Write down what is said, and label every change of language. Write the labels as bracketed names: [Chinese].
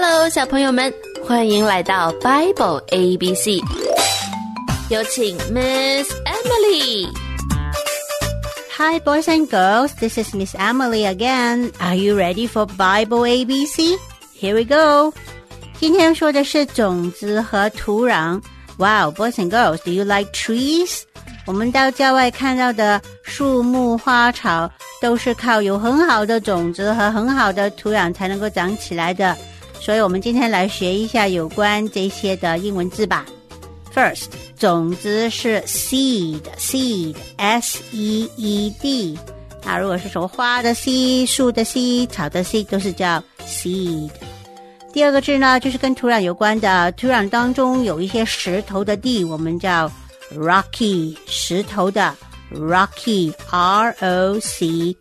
[Chinese] 小朋友们，欢迎来到 Bible ABC， 有请 Miss Emily。 [English] Hi, boys and girls, this is Miss Emily again. Are you ready for Bible ABC? Here we go. [Chinese] 今天说的是种子和土壤。 [English] Wow, boys and girls, do you like trees? [Chinese] 我们到郊外看到的树木花草都是靠有很好的种子和很好的土壤才能够长起来的。所以我们今天来学一下有关这些的英文字吧。 First, 种子是 seed, S-E-E-D。那如果是什么花的 seed, 树的 seed, 草的 seed, 都是叫 seed。第二个字呢就是跟土壤有关的，土壤当中有一些石头的地，我们叫 rocky, 石头的 rocky, R-O-C-K-Y。